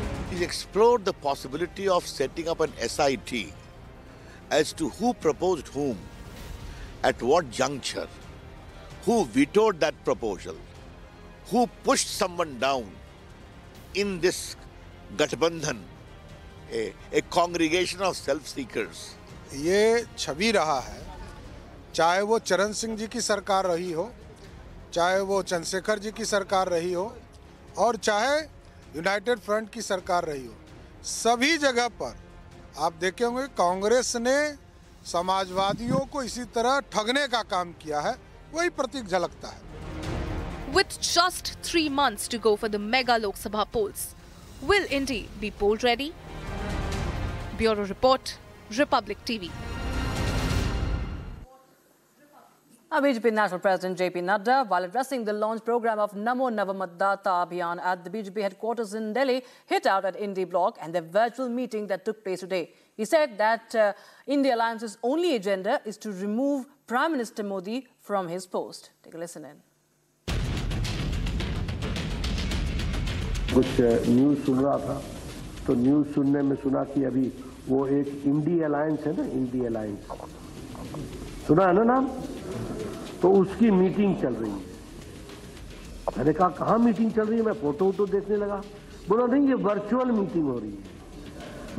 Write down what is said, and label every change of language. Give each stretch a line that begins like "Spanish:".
English: He explored the possibility of setting up an SIT as to who proposed whom, at what juncture, who vetoed that proposal, who pushed someone down in this gathbandhan, a congregation of self-seekers.
Hindi: ये छवि रहा है चाहे वो चरण सिंह जी की सरकार रही हो, चाहे वो चंद्रशेखर जी की सरकार रही हो और चाहे यूनाइटेड फ्रंट की सरकार रही हो, सभी जगह पर आप देखे होंगे कांग्रेस ने समाजवादियों को इसी तरह ठगने का काम किया है, वही प्रतीक झलकता है।
English: With just 3 months to go for the mega Lok Sabha polls, will Indy be poll ready? Bureau report, Republic TV. BJP National President JP Nadda, while addressing the launch program of Namo Navamatdata Abhiyan at the BJP headquarters in Delhi, hit out at Indy Block and the virtual meeting that took place today. He said that Indy Alliance's only agenda is to remove Prime Minister Modi from his post. Take a listen in.
Hindi: कुछ news सुन रहा था तो news सुनने में सुना कि अभी वो एक इंडी अलायंस है ना, इंडी अलायंस सुना है ना नाम, तो उसकी मीटिंग चल रही है। मैंने कहा कहाँ मीटिंग चल रही है, मैं फोटो तो देखने लगा, बोला नहीं ये वर्चुअल मीटिंग हो रही है।